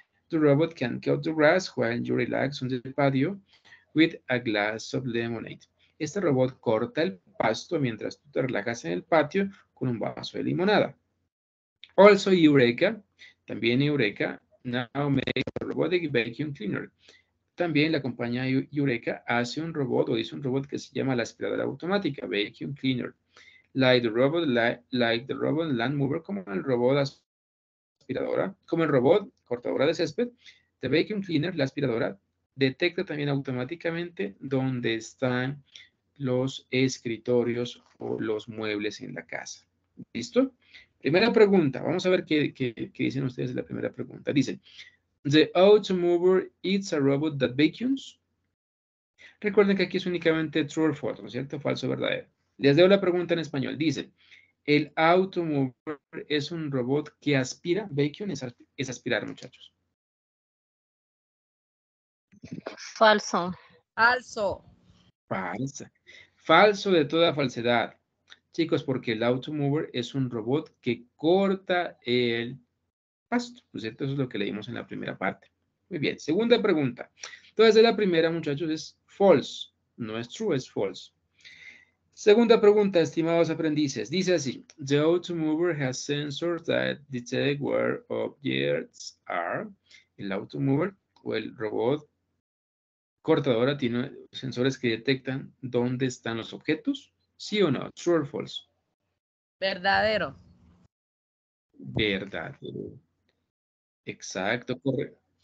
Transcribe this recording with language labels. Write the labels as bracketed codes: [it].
[en] The robot can cut the grass while you relax on the patio with a glass of lemonade. [es] Este robot corta el pasto mientras tú te relajas en el patio con un vaso de limonada. [en] Also Eureka, [es] también Eureka, [en] now makes a robotic vacuum cleaner. [es] También la compañía Eureka hace un robot o dice un robot que se llama la aspiradora automática, vacuum cleaner. [en] Like the robot land mover, [es] como el robot aspiradora, como el robot cortadora de césped, [en] the vacuum cleaner, [es] la aspiradora, detecta también automáticamente dónde están los escritorios o los muebles en la casa. ¿Listo? Primera pregunta. Vamos a ver qué dicen ustedes de la primera pregunta. Dice, [en] the Automover is a robot that vacuums. [es] Recuerden que aquí es únicamente [en] true or false, [es] ¿no es cierto? Falso o verdadero. Les leo la pregunta en español. Dice, el Automover es un robot que aspira. Vacuum es aspirar, muchachos. Falso. Falso. Falso. Falso de toda falsedad. Chicos, porque el Automover es un robot que corta el pasto, ¿no es cierto? Eso es lo que leímos en la primera parte. Muy bien. Segunda pregunta. Entonces, de la primera, muchachos, es false. No es true, es false. Segunda pregunta, estimados aprendices. Dice así. [en] The Automover has sensors that detect where objects are. [es] El Automover o el robot cortadora tiene sensores que detectan dónde están los objetos. ¿Sí o no? [en] True or false. [es] Verdadero. Verdadero. Exacto, correcto.